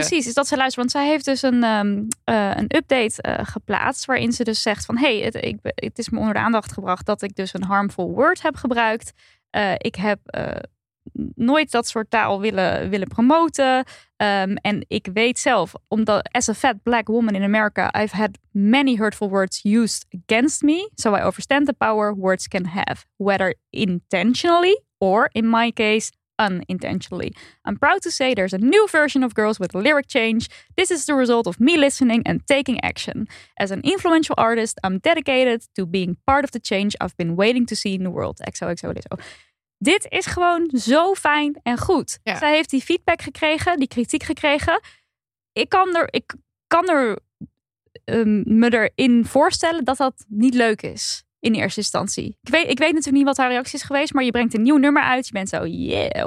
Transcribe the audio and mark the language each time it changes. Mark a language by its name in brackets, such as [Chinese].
[Dutch] Precies, is dat zij luisterde. Want zij heeft dus een update geplaatst. Waarin ze dus zegt van... Hey, het is me onder de aandacht gebracht dat ik dus een harmful word heb gebruikt. Ik heb nooit dat soort taal willen promoten. En ik weet zelf, omdat [English] as a fat black woman in America... I've had many hurtful words used against me. So I understand the power words can have. Whether intentionally or, in my case, unintentionally. I'm proud to say there's a new version of Girls with Lyric Change. This is the result of me listening and taking action. As an influential artist, I'm dedicated to being part of the change... I've been waiting to see in the world. XOXO Lizzo. [Dutch] Dit is gewoon zo fijn en goed. Ja. Zij heeft die feedback gekregen, die kritiek gekregen. Ik kan me erin voorstellen dat dat niet leuk is in eerste instantie. Ik weet natuurlijk niet wat haar reactie is geweest, maar je brengt een nieuw nummer uit. Je bent zo, yeah.